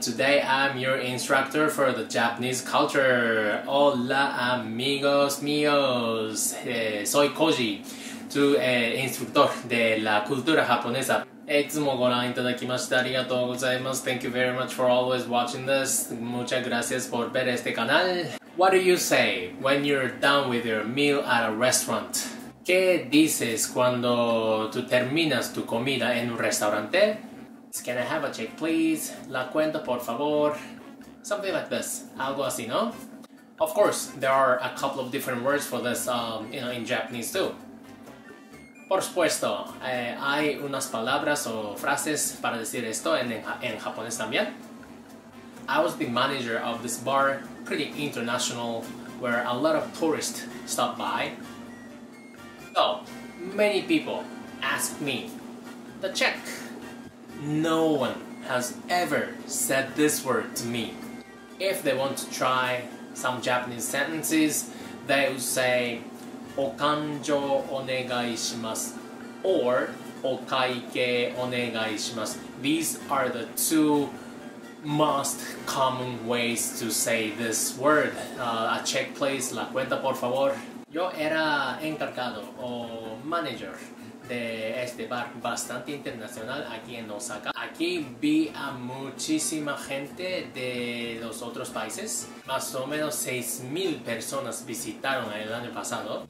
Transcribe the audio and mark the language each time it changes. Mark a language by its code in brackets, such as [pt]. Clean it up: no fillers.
[en] Today, I'm your instructor for the Japanese culture. [es] Hola, amigos míos. Soy Koji, tu instructor de la cultura japonesa. [ja] いつもご覧いただきましてありがとうございます。 [en] Thank you very much for always watching this. [es] Muchas gracias por ver este canal. [en] What do you say when you're done with your meal at a restaurant? [es] ¿Qué dices cuando tú terminas tu comida en un restaurante? [en] Can I have a check, please? [es] La cuenta, por favor. [en] Something like this. [es] Algo así, ¿no? [en] Of course, there are a couple of different words for this, you know, in Japanese too. [es] Por supuesto, hay unas palabras o frases para decir esto en japonés también. [en] I was the manager of this bar, pretty international, where a lot of tourists stop by. So, many people ask me the check. No one has ever said this word to me. If they want to try some Japanese sentences, they would say [ja] お勘定お願いします [en] or [ja] お会計お願いします. [en] These are the two most common ways to say this word. A check please, [es] la cuenta por favor. Yo era encargado o manager de este bar bastante internacional aquí en Osaka. Aquí vi a muchísima gente de los otros países. Más o menos 6,000 personas visitaron el año pasado.